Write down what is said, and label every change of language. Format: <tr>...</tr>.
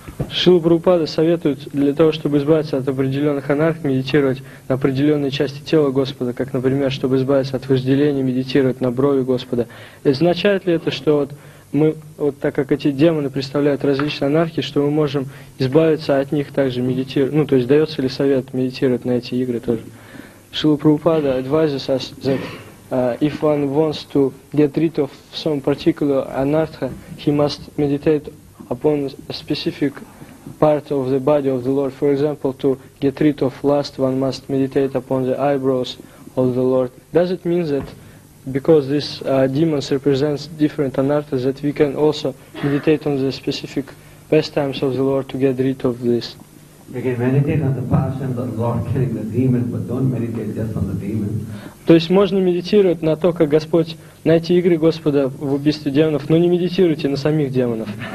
<ru>Шрила Прабхупада советует для того, чтобы избавиться от определенных анарх, медитировать на определенной части тела Господа, как, например, чтобы избавиться от вожделения, медитировать на брови Господа. И означает ли это, что вот мы, вот так как эти демоны представляют различные анархии, что мы можем избавиться от них также, медитировать, ну, то есть дается ли совет медитировать на эти игры тоже?</ru> <en>Шрила Прабхупада advises us that if one wants to get rid of some particular anartha, he must meditate upon a specific part of the body of the Lord. For example, to get rid of lust, one must meditate upon the eyebrows of the Lord. Does it mean that because these demons represent different anarthas, that we can also meditate on the specific pastimes of the Lord to get rid of this? We can meditate on the passion of the Lord killing the demon, but don't meditate just on the demon.</en> <ru>То есть можно медитировать на то, как Господь, на эти игры Господа в убийстве демонов, но не медитируйте на самих демонов.</ru>